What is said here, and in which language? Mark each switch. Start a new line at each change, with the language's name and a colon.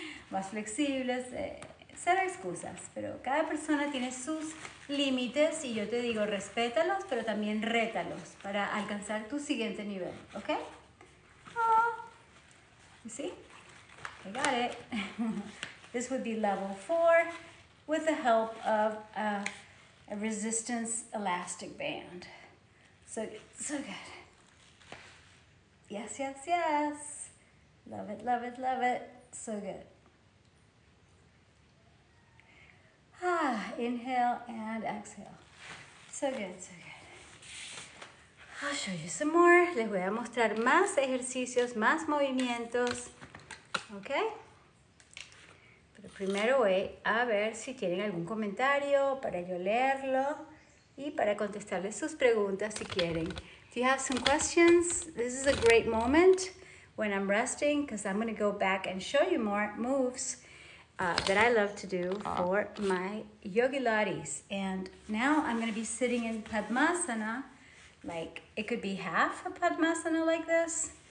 Spanish: Más flexibles, cero excusas, pero cada persona tiene sus límites y yo te digo respétalos, pero también rétalos para alcanzar tu siguiente nivel, ¿ok?
English: Oh, ¿sí? I got it. This would be level 4 with the help of a resistance elastic band. So good. Yes, yes, yes. Love it, love it, love it. So good. Ah, inhale and exhale. So good, so good. I'll show you some more.
Spanish: Les voy a mostrar más ejercicios, más movimientos. Okay? Pero primero voy a ver si tienen algún comentario para yo leerlo y para contestarles sus preguntas si quieren.
English: Do you have some questions? This is a great moment when I'm resting because I'm going to go back and show you more moves that I love to do for my yogilates. And now I'm going to be sitting in Padmasana. Like, it could be half a Padmasana like this.